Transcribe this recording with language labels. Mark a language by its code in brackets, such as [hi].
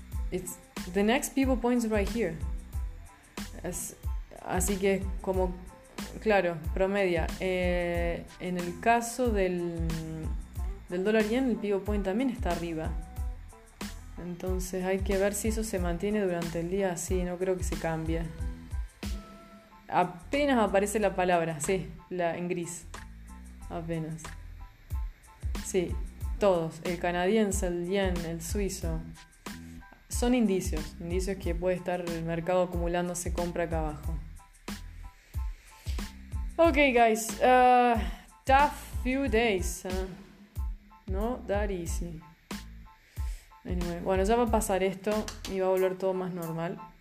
[en] It's the next pivot point is right here. [es] Así que como, claro, promedia. En el caso del dólar yen, el pivot point también está arriba. Entonces hay que ver si eso se mantiene durante el día. Sí, no creo que se cambie. Apenas aparece la palabra, sí, en gris. Apenas. Sí, todos, el canadiense, el yen, el suizo, son indicios que puede estar el mercado acumulándose compra acá abajo. [en] Ok, guys, tough few days, not that easy. Anyway, [es] bueno, ya va a pasar esto y va a volver todo más normal.